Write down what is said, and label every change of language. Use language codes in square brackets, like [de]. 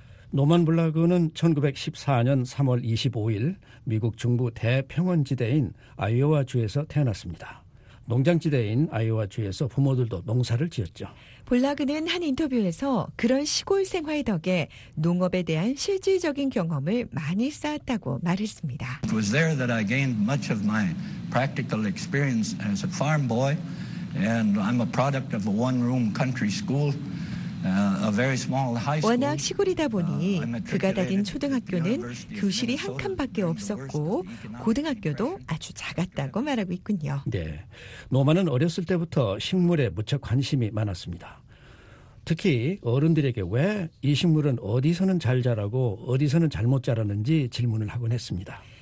[ko] 노만 볼락은 1914년 3월 25일 미국 중부 대평원지대인 아이오와주에서 태어났습니다. 농장지대인 아이오와주에서 부모들도 농사를 지었죠. 볼락은 한 인터뷰에서 그런 시골 생활 덕에 농업에 대한 실질적인 경험을 많이 쌓았다고 말했습니다. [en] It was there that I gained much of my practical experience as a farm boy. And I'm a product of a one-room country school. A very small high school. [ko] 워낙 시골이다 보니 그가 다닌 초등학교는 교실이 한 칸밖에 없었고 고등학교도 아주 작았다고 말하고 있군요. 네, 노만은 어렸을 때부터 식물에 무척 관심이 많았습니다. 특히 어른들에게 왜 이 식물은 어디서는 잘 자라고 어디서는 잘못 자라는지 질문을 하곤 했습니다.